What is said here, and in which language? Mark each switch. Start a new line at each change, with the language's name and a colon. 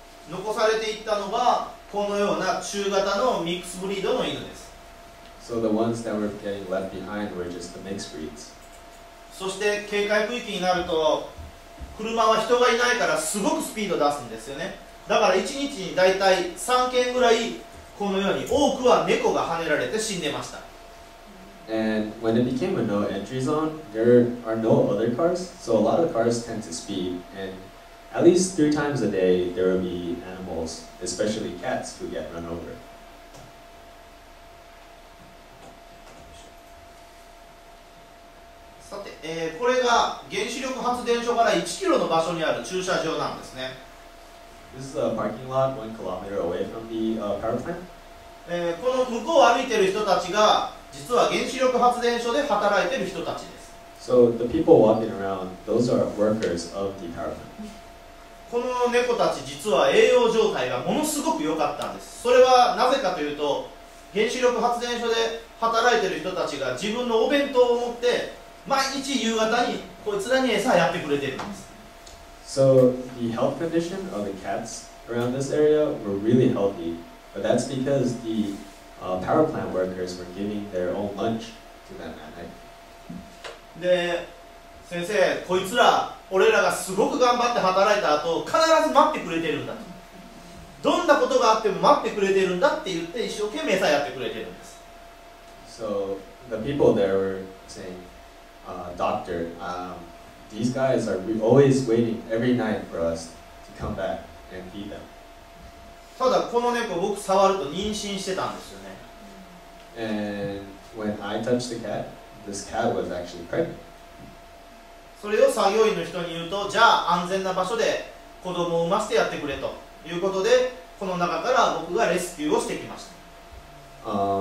Japanese: 残されていったのがこのような中型のミックスブリードの犬です。
English: So the ones that were getting left behind were just the mixed breeds.
Japanese: そして警戒区域になると車は人がいないからすごくスピード出すんですよね。だから1日にだいたい3件ぐらいこのように多くは猫が跳ねられて死んでました。
English: And when it became a no entry zone, there are no other cars, so a lot of cars tend to speed. And at least 3 times a day, there will be animals, especially cats, who get run over.
Japanese: さて、これが原子力発電所から1キロの場所にある駐車場なんですね。
English: This is a parking lot 1 kilometer away from the power plant.
Japanese: この向こうを歩いている人たちが実は原子力発電所で働いている人たちです。
English: So the people walking around, those are workers of the power plant.
Japanese: この猫たち実は栄養状態がものすごく良かったんです。それはなぜかというと、原子力発電所で働いている人たちが自分のお弁当を持って毎日夕方にこいつらに餌やってくれているんです。
English: So the health condition of the cats around this area were really healthy, but that's because the power plant workers were giving their own lunch to them at night.
Japanese: で、先生、こいつら、俺らがすごく頑張って働いた後、必ず待ってくれてるんだと。どんなことがあっても待ってくれてるんだって言って一生懸命さやってくれてるんです。
English: So the people there were saying, doctor, these guys are always waiting every night for us to come back and feed them.
Japanese: ただこの猫僕触ると妊娠してたんですよね。
English: And when I touched the cat, this cat was actually pregnant.
Japanese: それを作業員の人に言うと、じゃあ安全な場所で子供を産ませてやってくれということで、この中から僕がレスキューをしてきました。